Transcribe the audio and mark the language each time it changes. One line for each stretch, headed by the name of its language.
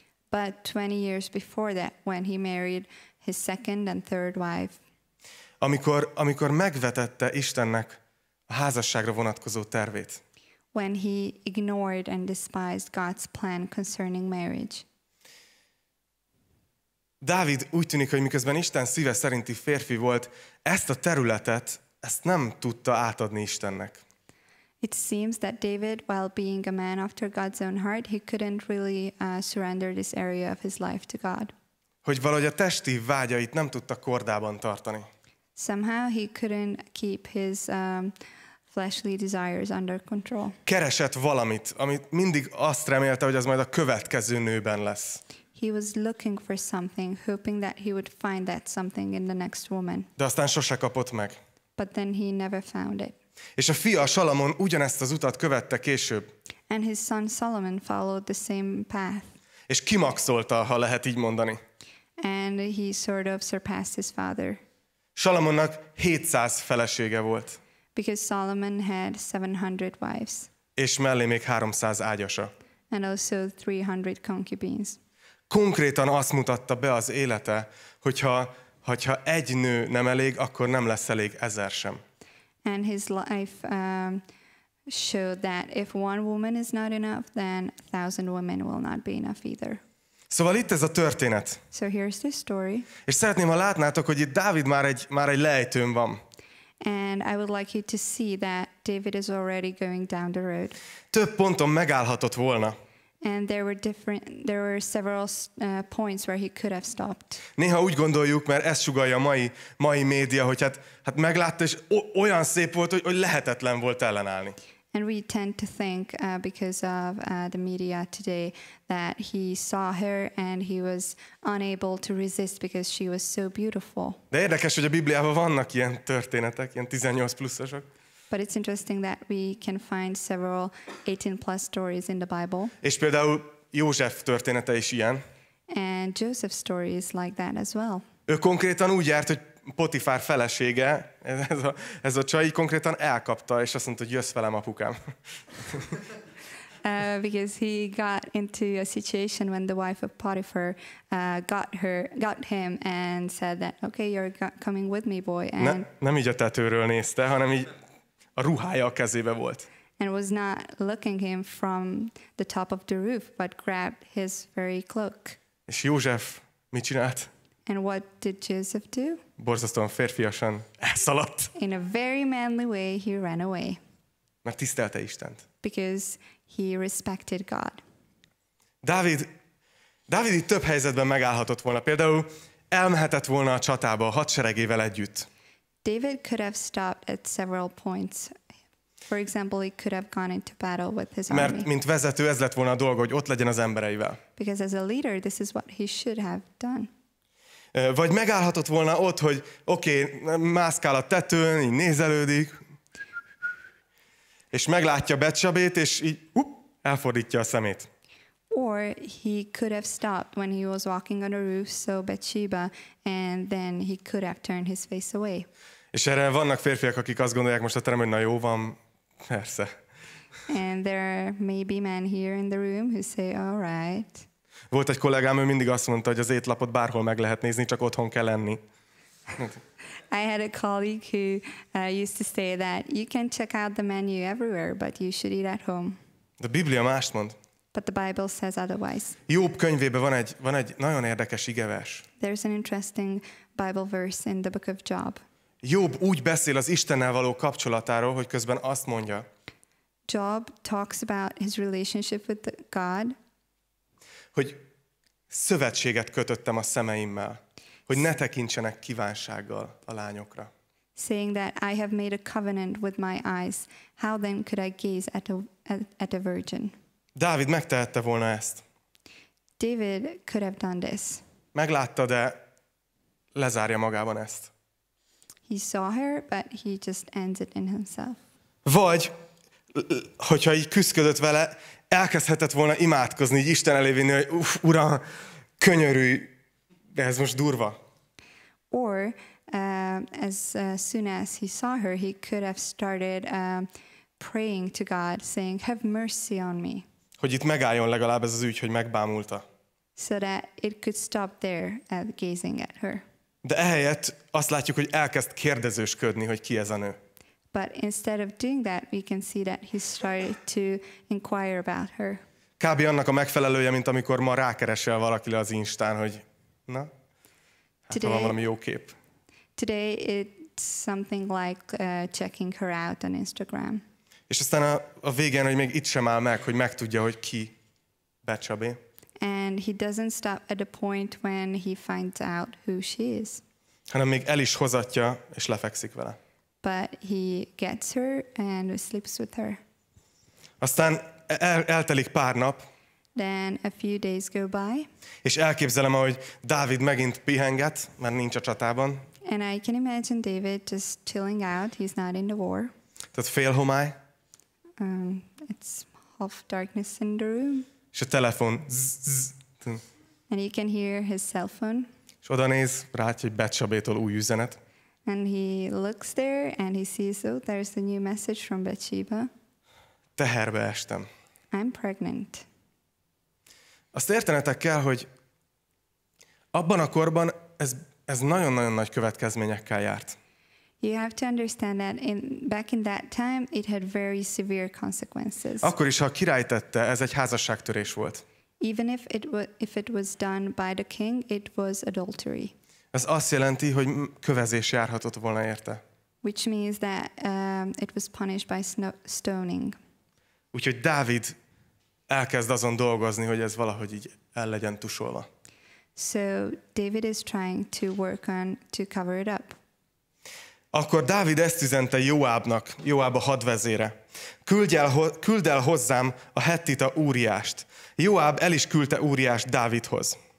English: But 20 years before that, when he married his second and third wife.
Hungarian: Amikor megvetette Istennek a házasságra vonatkozó tervét.
English: When he ignored and despised God's plan concerning marriage.
Hungarian: Dávid úgy tűnik, hogy miközben Isten szíve szerinti férfi volt, ezt a területet, ezt nem tudta átadni Istennek.
English: It seems that David, while being a man after God's own heart, he couldn't really surrender this area of his life to God.
Hungarian: Hogy valahogy a testi vágyait nem tudta kordában tartani.
English: Somehow he couldn't keep his fleshly desires under control.
Hungarian: Keresett valamit, amit mindig azt remélte, hogy az majd a következő nőben lesz.
English: He was looking for something, hoping that he would find that something in the next woman.
Hungarian: De aztán sose kapott meg.
English: But then he never found it.
Hungarian: És a fia Salamon ugyanezt az utat követte később.
English: And his son Solomon followed the same path.
Hungarian: És kimaxolta, ha lehet így mondani.
English: And he sort of surpassed his father.
Hungarian: Salamonnak 700 felesége volt.
English: Because Solomon had 700 wives.
Hungarian: És mellé még 300 ágyasa.
English: And also 300 concubines.
Hungarian: Konkrétan azt mutatta be az élete, hogyha egy nő nem elég, akkor nem lesz elég 1000 sem.
English: And his life showed that if one woman is not enough, then 1,000 women will not be enough either.
Hungarian: Szóval itt ez a történet.
English: So here's this story.
Hungarian: És szeretném, ha látnátok, hogy itt Dávid már egy lejtőn van.
English: And I would like you to see that David is already going down the road.
Hungarian: Több ponton megállhatott volna.
English: And there were several points where he could have stopped.
Hungarian: Néha úgy gondoljuk, mert ezt sugallja a mai média, hogy hát meglátta, és olyan szép volt, hogy lehetetlen volt ellenállni.
English: And we tend to think because of the media today that he saw her and he was unable to resist because she was so beautiful.
Hungarian: De érdekes, hogy a Bibliában vannak ilyen történetek, ilyen 18 pluszosok.
English: But it's interesting that we can find several 18 plus stories in the Bible.
Hungarian: És például József története is ilyen.
English: And Joseph's story is like that as well.
Hungarian: Ő konkrétan úgy járt, hogy Potifár felesége, ez a csaj konkrétan elkapta, és azt mondta, hogy jössz velem, apukám.
English: Because he got into a situation when the wife of Potiphar got him and said that, okay, you're coming with me, boy. And
Hungarian: nem így a tetőről nézte, hanem így a ruhája a kezébe volt.
English: And was not looking him from the top of the roof, but grabbed his very cloak.
Hungarian: És József mit csinált?
English: And what did Joseph do?
Hungarian: Borzasztóan férfiasan elszaladt.
English: In a very manly way, he ran away.
Hungarian: Mert tisztelte Istent.
English: Because he respected God.
Hungarian: Dávid itt több helyzetben megállhatott volna. Például elmehetett volna a csatába a hadseregével együtt.
English: David could have stopped at several points. For example, he could have gone into battle with his army.
Hungarian: Mert mint vezető ez lett volna a dolga, hogy ott legyen az embereivel.
English: Because as a leader, this is what he should have done.
Hungarian: Vagy megállhatott volna ott, hogy oké, mászkál a tetőn, így nézelődik, és meglátja Betsabét, és így elfordítja a szemét.
English: Or he could have stopped when he was walking on a roof, saw Bathsheba, and then he could have turned his face away.
Hungarian: És erre vannak férfiak, akik azt gondolják most a teremben, hogy na jó van, persze.
English: And there may be men here in the room who say, all right.
Hungarian: Volt egy kollégám, ő mindig azt mondta, hogy az étlapot bárhol meg lehet nézni, csak otthon kell lenni.
English: I had a colleague who used to say that you can check out the menu everywhere, but you should eat at home.
Hungarian: De Biblia mást mond.
English: But the Bible says otherwise.
Hungarian: Jób könyvében van egy nagyon érdekes igevers.
English: There's an interesting Bible verse in the book of Job.
Hungarian: Jób úgy beszél az Istennel való kapcsolatáról, hogy közben azt mondja.
English: Job talks about his relationship with God.
Hungarian: Hogy szövetséget kötöttem a szemeimmel, hogy ne tekintsenek kívánsággal a lányokra.
English: Saying that I have made a covenant with my eyes, how then could I gaze at a virgin?
Hungarian: Dávid megtehette volna ezt.
English: David could have done this.
Hungarian: Meglátta, de lezárja magában ezt.
English: He saw her, but he just ends it in himself.
Hungarian: Vagy, hogyha így küszködött vele, elkezdhetett volna imádkozni, így Isten elé vinni, hogy Uram, könyörülj, de ez most durva.
English: Or, as soon as he saw her, he could have started praying to God, saying, have mercy on me.
Hungarian: Hogy itt megálljon legalább ez az ügy, hogy megbámulta.
English: So that it could stop there at gazing at her.
Hungarian: De ehelyett azt látjuk, hogy elkezd kérdezősködni, hogy ki ez a nő.
English: But instead of doing that, we can see that he started to inquire about her.
Hungarian: Kb. Annak a megfelelője, mint amikor ma rákeresel valakire az Instán, hogy na, hát today, ha van valami jó kép.
English: Today it's something like checking her out on Instagram.
Hungarian: És aztán a végén, hogy még itt sem áll meg, hogy megtudja, hogy ki Betsabé.
English: And he doesn't stop at the point when he finds out who she is.
Hungarian: Hanem még el is hozatja, és lefekszik vele.
English: But he gets her and sleeps with her.
Hungarian: Aztán eltelik pár nap.
English: Then a few days go by.
Hungarian: És elképzelem, ahogy Dávid megint pihenget, mert nincs a csatában.
English: And I can imagine David just chilling out. He's not in the war.
Hungarian: Tehát fél homály.
English: It's half darkness in the room.
Hungarian: És a telefon. Zzz.
English: And you can hear his cell phone.
Hungarian: És oda néz, látja, hogy Betsabétól új üzenet.
English: And he looks there and he sees, oh, there's a new message from Bathsheba.
Hungarian: Teherbe estem.
English: I'm pregnant.
Hungarian: Azt értenetek kell, hogy abban a korban ez nagyon-nagyon nagy következményekkel járt.
English: You have to understand that back in that time it had very severe consequences.
Hungarian: Akkor is, ha a király tette, ez egy házasságtörés volt.
English: Even if it was done by the king, it was adultery.
Hungarian: Ez azt jelenti, hogy kövezés járhatott volna érte.
English: Which means that it was punished by stoning.
Hungarian: Úgyhogy Dávid elkezd azon dolgozni, hogy ez valahogy így el legyen tusolva.
English: So David is trying to work on to cover it up.
Hungarian: Akkor Dávid ezt üzente Jóábnak, Jóáb a hadvezére. Küld el hozzám a hettita Úriást. Jóáb el is küldte Úriást Dávidhoz.